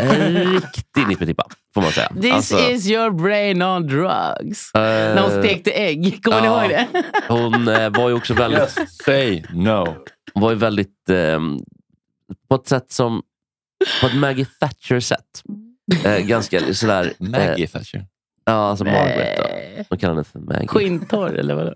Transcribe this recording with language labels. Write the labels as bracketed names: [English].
[Swedish] Riktig nippetippa, får man säga. [English] This is your brain on drugs. [Swedish] När hon stekte ägg. Kommer ni ihåg det? Hon var ju också väldigt... [English] Say no. [Swedish] Hon var ju väldigt... på ett sätt som... På ett Maggie Thatcher-sätt. Ganska sådär... Maggie Thatcher? Ja, alltså Margaret då. Hon kallade det för Maggie. Skintor eller vad?